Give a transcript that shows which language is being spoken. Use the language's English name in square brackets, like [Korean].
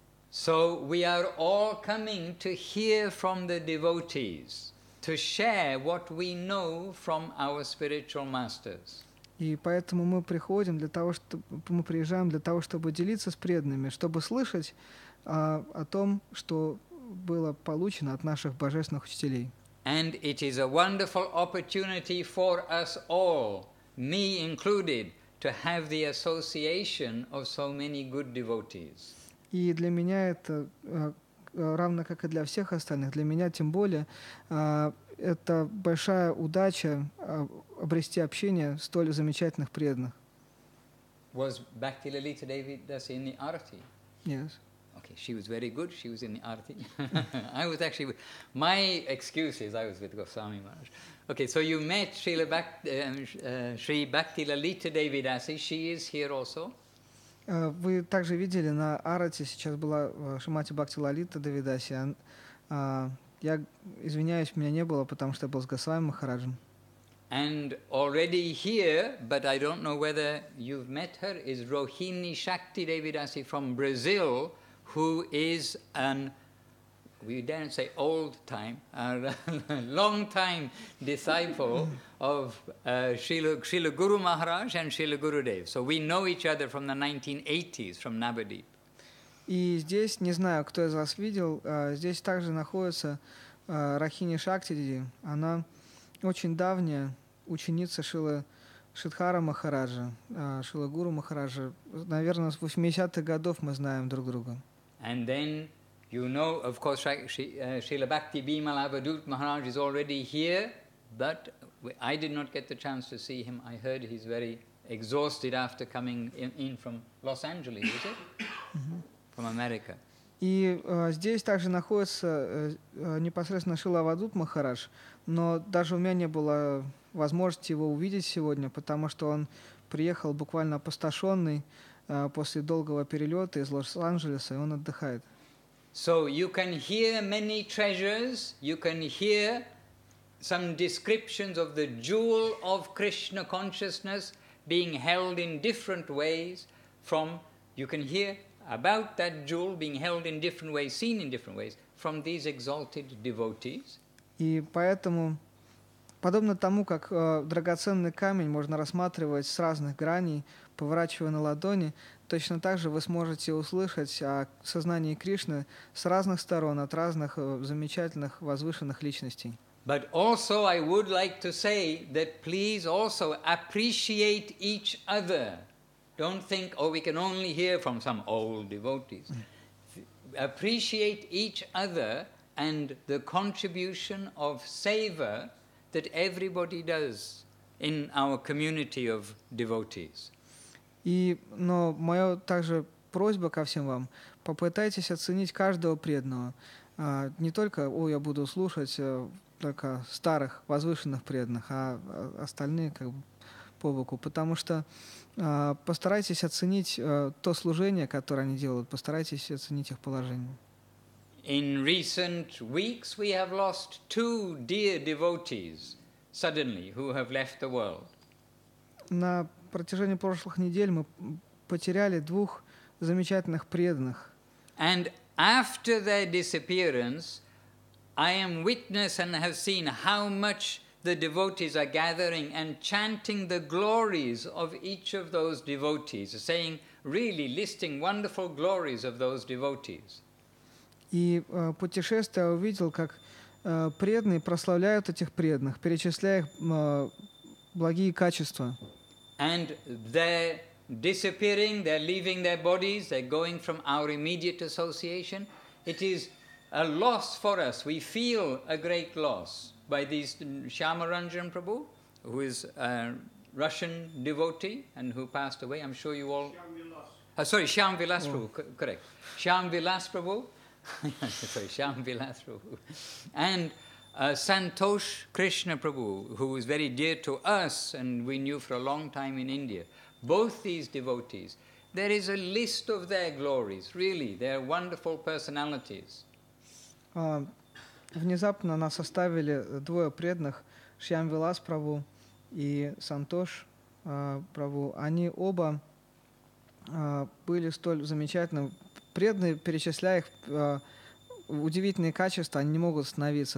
[English] So we are all coming to hear from the devotees, to share what we know from our spiritual masters. [Russian] И поэтому мы приходим для того, чтобы мы приезжаем для того, чтобы делиться с преданными, чтобы слышать о том, что было получено от наших божественных учителей. [English] And it is a wonderful opportunity for us all, me included, to have the association of so many good devotees. [Russian] И для меня это равно как и для всех остальных, для меня тем более это большая удача обрести общение столь замечательных преданных. [English] Was Bhakti Lalita Devi Dasi in the arati? Yes. Okay, she was very good. She was in the arati. I was actually with, my excuse is I was with Goswami Maharaj. Okay, so you met Srila Shri Bhakti Lalita Devi Dasi. She is here also. [Russian] Вы также видели на арати сейчас была Шримати Бхакти Лалита Деви Даси. Я извиняюсь, меня не было, потому что я был с Госвами Махараджем. [English] And already here, but I don't know whether you've met her, is Rohini Shakti Devi Dasi from Brazil, who is an, we daren't say old time, a long time disciple of Srila Guru Maharaj and Srila Gurudev. So we know each other from the 1980s, from Navadvip. [Russian] И здесь, не знаю, кто из вас видел, здесь также находится Рахини Шактиди. Она очень давняя ученица Шрилы Шридхара Махараджа, Шрилы Гуру Махараджа. Наверное, с 80-х годов мы знаем друг друга. [English] And then, you know, of course, Srila Bhakti Bimala Avadhut Maharaj is already here, but I did not get the chance to see him. I heard he's very exhausted after coming in from Los Angeles, is it? From America. [Russian] И здесь также находится непосредственно Шрила Авадхут Махарадж, но даже у меня не было возможности его увидеть сегодня, потому что он приехал буквально опустошенный после долгого перелета из Лос-Анджелеса, и он отдыхает. [English] So you can hear many treasures, you can hear some descriptions of the jewel of Krishna consciousness being held in different ways from, you can hear about that jewel being held in different ways, seen in different ways, from these exalted devotees. [Russian] И поэтому, подобно тому, как драгоценный камень можно рассматривать с разных граней, поворачивая на ладони, точно так же вы сможете услышать о сознании Кришны с разных сторон, от разных замечательных возвышенных личностей. [English] But also I would like to say that please also appreciate each other. Don't think, oh, we can only hear from some old devotees. Appreciate each other and the contribution of seva that everybody does in our community of devotees. [Russian] И, но моя также просьба ко всем вам, попытайтесь оценить каждого преданного. Не только, о, я буду слушать только старых, возвышенных преданных, а остальные как бы по боку. Потому что постарайтесь оценить то служение, которое они делают, постарайтесь оценить их положение. [English] In recent weeks we have lost two dear devotees suddenly who have left the world. [Russian] На протяжении прошлых недель мы потеряли двух замечательных преданных. [English] And after their disappearance, I am witness and have seen how much the devotees are gathering and chanting the glories of each of those devotees, saying, really listing wonderful glories of those devotees. [Russian] И путешествуя, увидел, как преданные прославляют этих преданных, перечисляя их благие качества. [English] And they're disappearing, they're leaving their bodies, they're going from our immediate association. It is a loss for us. We feel a great loss by these Shyamaranjan Prabhu, who is a Russian devotee and who passed away. I'm sure you all... Shyam Vilas Prabhu. Sorry, Shyam Vilas Prabhu. And Santosh Krishna Prabhu, who was very dear to us and we knew for a long time in India. Both these devotees, there is a list of their glories, really, their wonderful personalities. [Russian] Внезапно нас оставили двое преданных, Шьям Вилас Прабу и Сантош Прабу. Они оба были столь замечательны. Преданные, перечисляя их удивительные качества, они не могут остановиться.